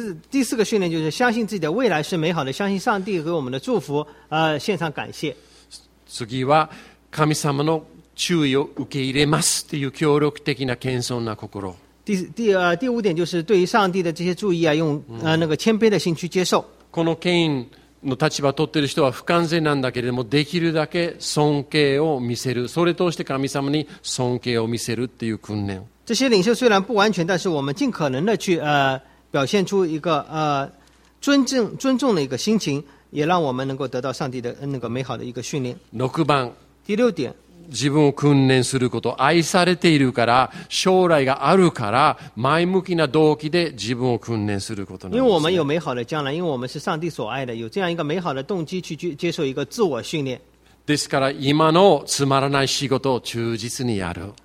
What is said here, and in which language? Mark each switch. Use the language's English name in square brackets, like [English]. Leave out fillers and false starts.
[Chinese] 第四个训练就是相信自己的未来是美好的，相信上帝给我们的祝福，献上感谢。 [Japanese] 次は神様の注意を受け入れますっていう協力的な謙遜な心。 [Chinese] 第五点就是对于上帝的这些注意啊，用那个谦卑的心去接受。 [Japanese] この権威の立場を取っている人は不完全なんだけれども、できるだけ尊敬を見せる。それ通して神様に尊敬を見せるっていう訓練。 [Chinese] 这些领袖虽然不完全，但是我们尽可能的去表现出一个尊重的一个心情，也让我们能够得到上帝的那个美好的一个训练。 [Japanese] 六番。 [Chinese] 第六点。 [Japanese] 自分を訓練すること。愛されているから、将来があるから、前向きな動機で自分を訓練することなんです、ね、 [Chinese] 因为我们有美好的将来，因为我们是上帝所爱的，有这样一个美好的动机去接受一个自我训练。 [Japanese] ですから今のつまらない仕事を忠実にやる。